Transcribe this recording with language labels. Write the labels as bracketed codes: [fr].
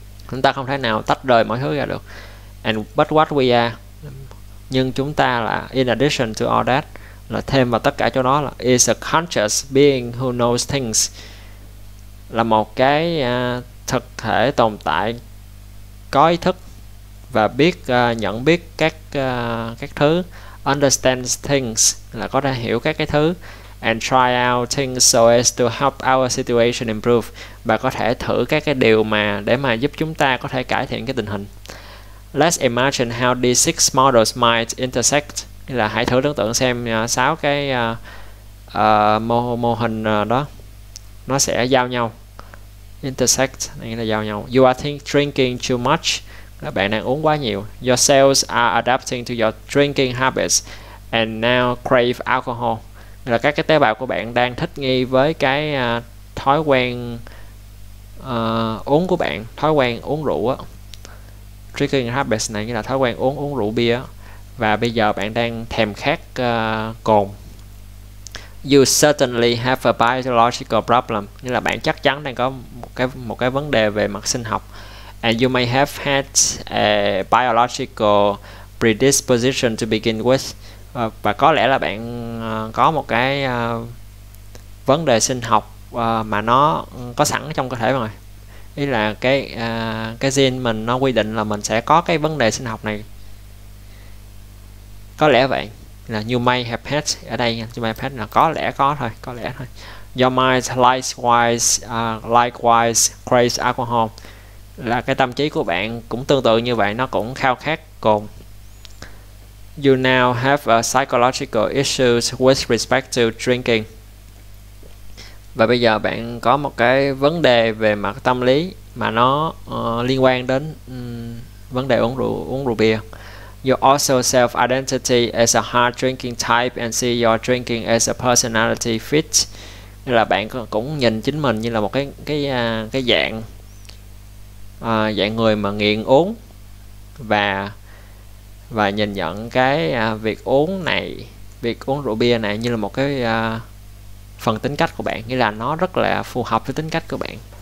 [vi] Chúng ta không thể nào tách rời mọi thứ ra được. [en] And but what we are, [vi] nhưng chúng ta là, [en] in addition to all that, [vi] là thêm vào tất cả chỗ đó, là [en] is a conscious being who knows things, [vi] là một cái thực thể tồn tại có ý thức và biết nhận biết các thứ. [en] Understands things, [vi] là có thể hiểu các cái thứ. [en] and try out things so as to help our situation improve. [vi] Và có thể thử các cái điều mà để mà giúp chúng ta có thể cải thiện cái tình hình. [en] Let's imagine how these six models might intersect. [vi] Là hãy thử tưởng tượng xem sáu cái mô hình đó nó sẽ giao nhau. [en] Intersect [vi] nghĩa là giao nhau. [en] You are drinking too much. [vi] Là bạn đang uống quá nhiều. [en] Your cells are adapting to your drinking habits and now crave alcohol. [vi] Là các cái tế bào của bạn đang thích nghi với cái thói quen uống của bạn, thói quen uống rượu á. Drinking habits này nghĩa là thói quen uống rượu bia á. Và bây giờ bạn đang thèm khát cồn. [en] You certainly have a biological problem. [vi] Nghĩa là bạn chắc chắn đang có một cái vấn đề về mặt sinh học. [en] And you may have had a biological predisposition to begin with. [vi] Và có lẽ là bạn có một cái vấn đề sinh học mà nó có sẵn trong cơ thể rồi. Ý là cái gen mình nó quy định là mình sẽ có cái vấn đề sinh học này. Có lẽ vậy, là [en] you may have had, [vi] ở đây you may have had là có lẽ có thôi, có lẽ thôi. [en] Your mind likewise craves alcohol, [vi] là cái tâm trí của bạn cũng tương tự như vậy, nó cũng khao khát cồn. [en] You now have a psychological issues with respect to drinking. [vi] Và bây giờ bạn có một cái vấn đề về mặt tâm lý mà nó liên quan đến vấn đề uống rượu bia. [en] You also self-identity as a hard drinking type and see your drinking as a personality fit. [vi] Nên là bạn cũng nhìn chính mình như là một cái dạng dạng người mà nghiện uống và nhìn nhận cái việc uống này, việc uống rượu bia này như là một cái phần tính cách của bạn, nghĩa là nó rất là phù hợp với tính cách của bạn.